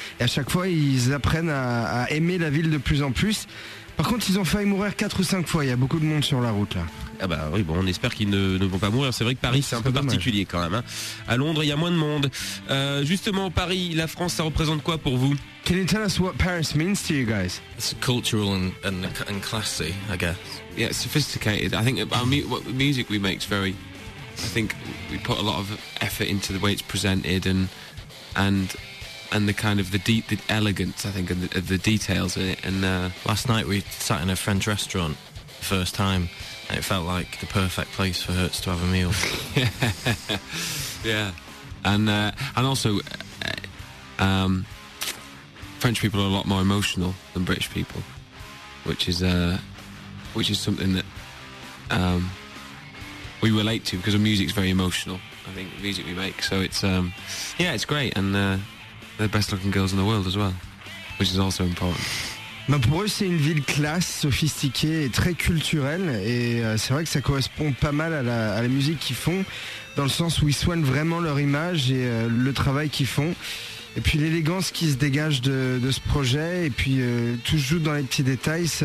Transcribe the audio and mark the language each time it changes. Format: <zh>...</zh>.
<fr>Et à chaque fois, ils apprennent à aimer la ville de plus en plus. Par contre, ils ont failli mourir 4 ou 5 fois. Il y a beaucoup de monde sur la route là. Ah bah oui, bon, on espère qu'ils ne vont pas mourir. C'est vrai que Paris, c'est un peu particulier quand même. Hein. À Londres, il y a moins de monde. Justement, Paris, la France, ça représente quoi pour vous?</fr> <en>Can you tell us what Paris means to you guys? It's cultural and classy, I guess. Yeah, sophisticated. I think the music we make is very... I think we put a lot of effort into the way it's presented and the kind of the elegance, I think, and the details in it. And last night we sat in a French restaurant, first time, and it felt like the perfect place for Hurt to have a meal. Yeah, and also French people are a lot more emotional than British people, which is something that. We relate to because our music's very emotional. I think the music we make, so it's it's great, and they're the best-looking girls in the world as well, which is also important.</en> <fr>Bah pour eux, c'est une ville classe, sophistiquée et très culturelle, et c'est vrai que ça correspond pas mal à la musique qu'ils font, dans le sens où ils soignent vraiment leur image et le travail qu'ils font, et puis l'élégance qui se dégage de ce projet, et puis tout se joue dans les petits détails.</fr>